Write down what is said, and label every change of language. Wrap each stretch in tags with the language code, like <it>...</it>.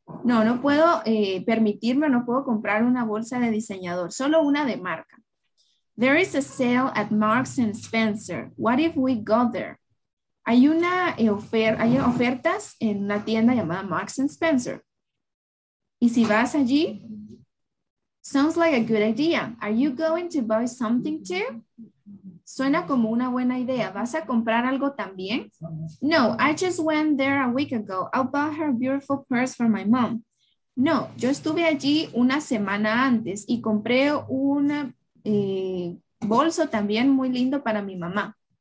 <es>No, no puedo permitirme, no puedo comprar una bolsa de diseñador, solo una de marca.</es> <en>There is a sale at Marks and Spencer. What if we go there?</en> <es>Hay ofertas en una tienda llamada Marks and Spencer. ¿Y si vas allí?</es> <en>Sounds like a good idea. Are you going to buy something too?</en> <es>Suena como una buena idea. ¿Vas a comprar algo también?</es> <en>No, I just went there a week ago. I bought her beautiful purse for my mom.</en> <es>No, yo estuve allí una semana antes y compré un bolso también muy lindo para mi mamá.</es>